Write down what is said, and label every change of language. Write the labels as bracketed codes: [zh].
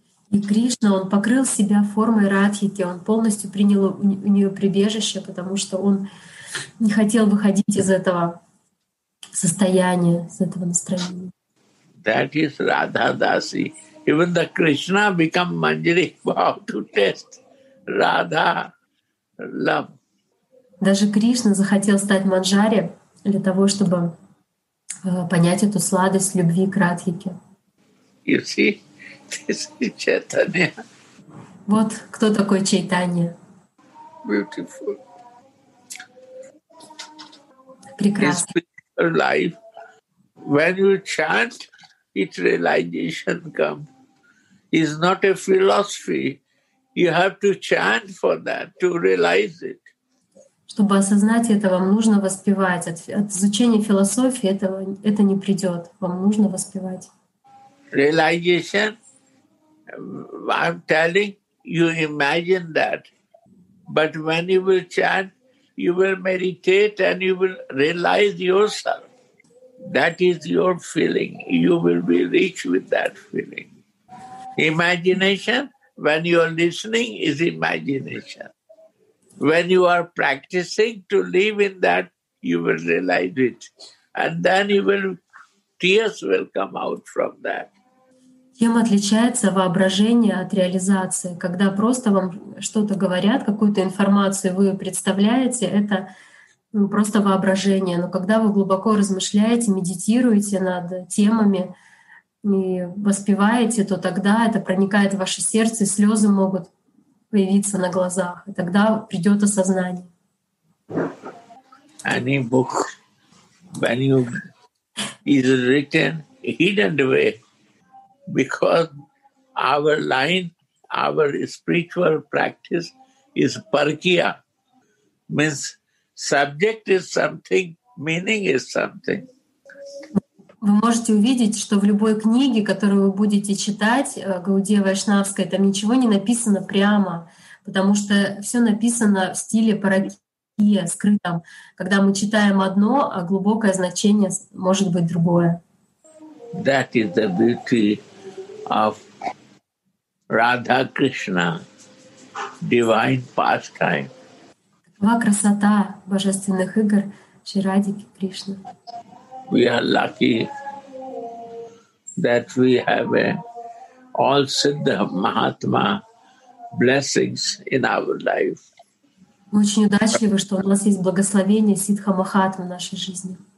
[ru] И Кришна, он покрыл себя формой Радхики, он полностью принял у нее прибежище, потому что он не хотел выходить из этого состояния, из этого настроения. [en] That is Radha Dasi. Even the Krishna become Manjari Bhav to test Radha love. [ru] Даже Кришна захотел стать Манджари для того, чтобы понять эту сладость любви к Радхике. [en] You see, this is Chaitanya. [ru] Вот кто такой Чайтанья. [en] Beautiful. [ru] Прекрасно. [en] His spiritual life. When you chant, its realization comes. It's not a philosophy. You have to chant for that, to realize it. [ru] Чтобы осознать это, вам нужно воспевать. От изучения философии это не придет. Вам нужно воспевать. [en] Realization, I'm telling you, imagine that. But when you will chant, you will meditate and you will realize yourself. That is your feeling. You will be rich with that feeling. Imagination, when you are listening, is imagination. When you are practicing to live in that, you will realize it. And then you will, tears will come out from that. [ru] Чем отличается воображение от реализации? Когда просто вам что-то говорят, какую-то информацию вы представляете, это просто воображение. Но когда вы глубоко размышляете, медитируете над темами и воспеваете, то тогда это проникает в ваше сердце, и слезы могут появиться на глазах, и тогда придет осознание. [en] Any book, when you is written hidden way, because our line, our spiritual practice is parkya, means subject is something, meaning is something. [ru] Вы можете увидеть, что в любой книге, которую вы будете читать, Гаудия Вайшнавской, там ничего не написано прямо, потому что все написано в стиле паракия, скрытом. Когда мы читаем одно, а глубокое значение может быть другое. [en] That is the beauty of Radha Krishna, divine pastime. [ru] Такова красота божественных игр Шри Радхики Кришны. [en] we are lucky that we have all Siddha Mahatma blessings in our life. [ru] Очень удачливо, что у нас есть благословение Сиддха Махатмы в нашей жизни.